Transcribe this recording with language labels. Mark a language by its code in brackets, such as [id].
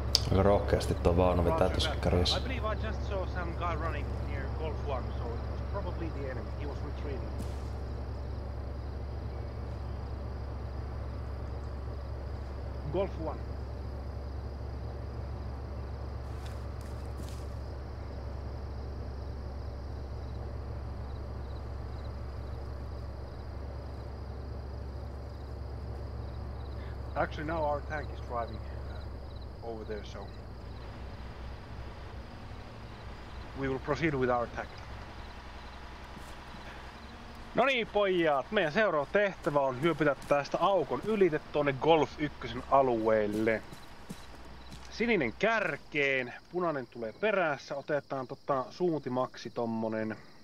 [fi] Rohkeasti tuo vaunu vetää tuossa kärjessä. [en] I believe I just saw some guy running near Golf 1, so it was probably the enemy. He was retreating. Golf 1. Actually, now our tank is driving over there, so... We will proceed with our attack. [fi] No niin pojat, meidän seuraava tehtävä on hyöpytä tästä aukon ylite tuonne Golf 1 alueelle. Sininen kärkeen, punainen tulee perässä, otetaan suuntimaksi tommonen.